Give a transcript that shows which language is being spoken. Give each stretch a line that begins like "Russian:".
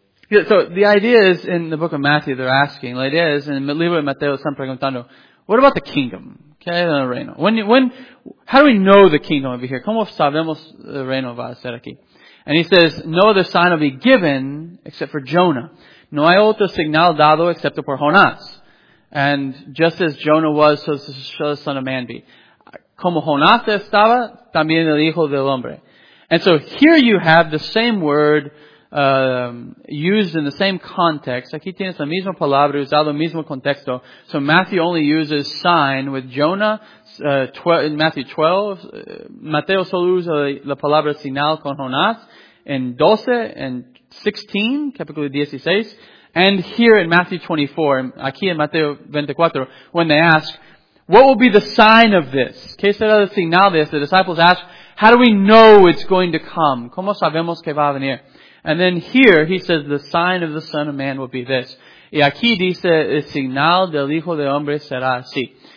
English: Yeah, so the idea is in the book of Matthew, they're asking. The idea is in
Spanish: el libro de Mateo están preguntando,
English: what about the kingdom?
Spanish: ¿Qué es el reino?
English: When? How do we know the kingdom will be here?
Spanish: ¿Cómo sabemos el reino va a ser aquí?
English: And he says, no other sign will be given except for Jonah.
Spanish: No hay otro señal dado excepto por Jonás.
English: And just as Jonah was, so shall the Son of Man be.
Spanish: Como Jonás estaba, también el Hijo del Hombre.
English: And so here you have the same word used in the same context.
Spanish: Aquí tienes la misma palabra usado en el mismo contexto.
English: So Matthew only uses sign with Jonah in Matthew 12.
Spanish: Mateo solo usa la palabra señal con Jonás en 12
English: and 16,
Spanish: capítulo 16.
English: And here in Matthew 24,
Spanish: aquí en Mateo 24,
English: when they ask, what will be the sign of this?
Spanish: ¿Qué será la señal de esto?
English: The disciples ask, how do we know it's going to come?
Spanish: ¿Cómo sabemos que va a venir?
English: And then here, he says, the sign of the Son of Man will be this.
Spanish: Y aquí dice, el señal del Hijo de Hombre será así.